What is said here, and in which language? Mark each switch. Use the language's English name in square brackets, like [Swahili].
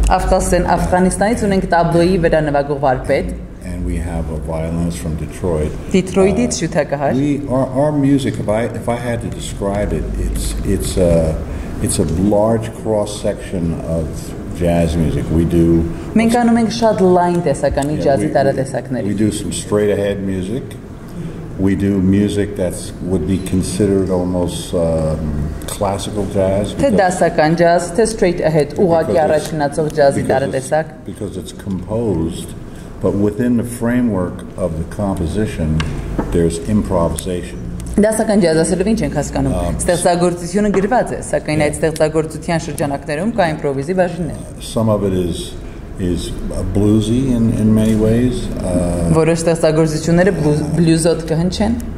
[Armenian] Afghanistanից ունենք տաբլոյի վրա նվագող վարպետ. [English] And we have a violinist from Detroit. [Armenian] Detroitից շուտակահար. [English] Our music, if I had to describe it, it's a large cross section of jazz music. We do. [Armenian] Մենք անում ենք շատ լայն տեսականի ջազի տարատեսակներ. [English] We do some straight ahead music. We do music that would be considered almost classical jazz. [Armenian] Թե դասական ջազ, թե straight ahead, ուղղակի առաջնացող ջազի տարատեսակ. [English] Because it's composed, but within the framework of the composition, there's improvisation. [Armenian] Դասական ջազ ասելով ինչ ենք հասկանում, ստեղծագործությունը գրված է, սակայն այդ ստեղծագործության շրջանակներում կա իմպրովիզի բաժիններ. [English] Some of it is bluesy in many ways. [Armenian] Որոշ ստեղծագործությունները բլյուզոտ կհնչեն.